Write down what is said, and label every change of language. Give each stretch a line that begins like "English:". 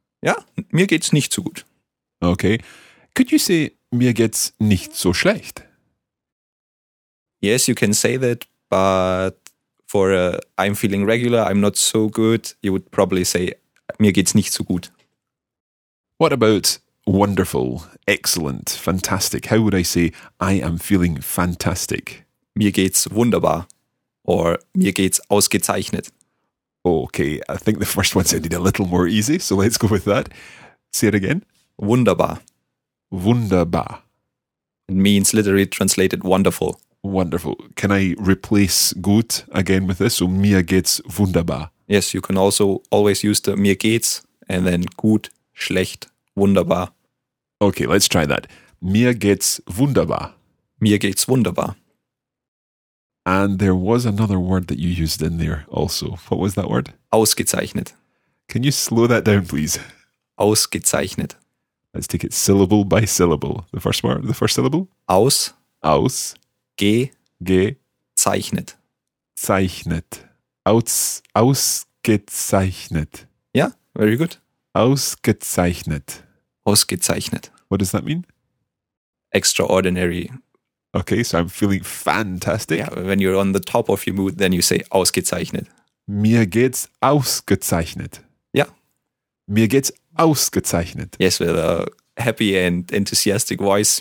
German: Ja, mir geht's nicht so gut.
English: Okay. Could you say,
German: mir geht's nicht so schlecht?
English: Yes, you can say that, but for I'm feeling regular, I'm not so good, you would probably say,
German: mir geht's nicht so gut.
English: What about wonderful, excellent, fantastic? How would I say, I am feeling fantastic?
German: Mir geht's wunderbar. Or, mir geht's ausgezeichnet.
English: Okay, I think the first one sounded a little more easy, so let's go with that. Say it again.
German: Wunderbar. Wunderbar.
English: It means literally translated wonderful. Wonderful. Can I replace gut again with this? So
German: mir geht's wunderbar.
English: Yes, you can also always use the mir geht's and then gut, schlecht, wunderbar. Okay, let's try that.
German: Mir geht's wunderbar. Mir geht's wunderbar.
English: And there was another word that you used in there also. What was that word?
German: Ausgezeichnet.
English: Can you slow that down, please?
German: Ausgezeichnet.
English: Let's take it syllable by syllable. The first word, the first syllable?
German: Aus. Aus. Ge. Ge. Zeichnet. Zeichnet. Ausgezeichnet.
English: Yeah, very good.
German: Ausgezeichnet. Ausgezeichnet.
English: What does that mean? Extraordinary. Okay, so I'm feeling fantastic. Yeah, when you're on the top of your mood, then you say ausgezeichnet.
German: Mir geht's ausgezeichnet.
English: Yeah.
German: Mir geht's ausgezeichnet.
English: Yes, with a happy and enthusiastic voice.